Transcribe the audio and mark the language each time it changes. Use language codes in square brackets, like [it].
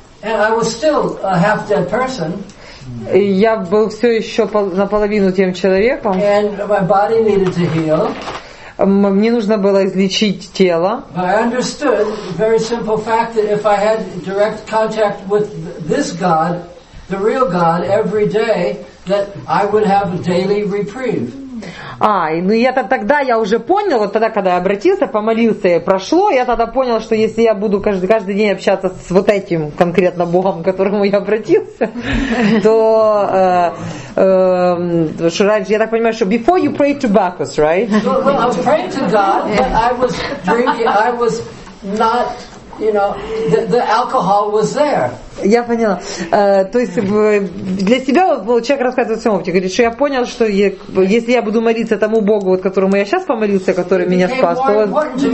[en] And I was still a half-dead person. [ru] Я был все еще наполовину тем человеком. [en] And my body needed to heal. [ru] Мне нужно было излечить тело. [en] But I understood the very simple fact that if I had direct contact with this God, the real God, every day, that I would have a daily reprieve. [ru] Ну я тогда я уже понял, вот тогда, когда я обратился, помолился и прошло, я тогда понял, что если я буду каждый день общаться с вот этим конкретно Богом, к которому я обратился, то что раньше, я так понимаю, что [en] before you pray to Bacchus, right? Well, I was praying to God, but I was drinking, I was not, you know, the alcohol was there. [ru] Я поняла. То есть для себя вот, человек рассказывает в своем опыте. Говорит, что я понял, что если я буду молиться тому Богу, вот, которому я сейчас помолился, который меня спас, то...